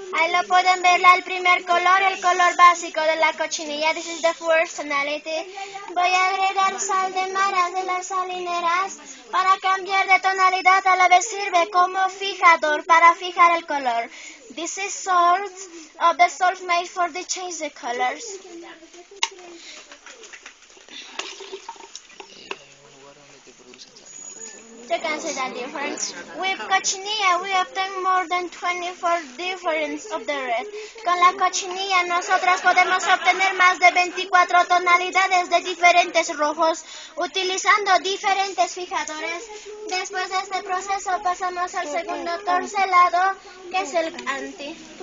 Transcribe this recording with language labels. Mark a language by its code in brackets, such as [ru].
[es] lo pueden ver, el primer color, el color básico de la cochinilla. [en] This is the first tonality. [es] Voy a agregar sal de mar a las salineras para cambiar de tonalidad. A la vez sirve como fijador para fijar el color. [en] This is salt, of the salt made for the change the colors. You can see the difference. With cochinilla, we obtain more than 24 difference of the red. [es] Con la cochinilla, nosotros podemos obtener más de 24 tonalidades de diferentes rojos utilizando diferentes fijadores. Después de este proceso, pasamos al segundo torcelado, que es el anti.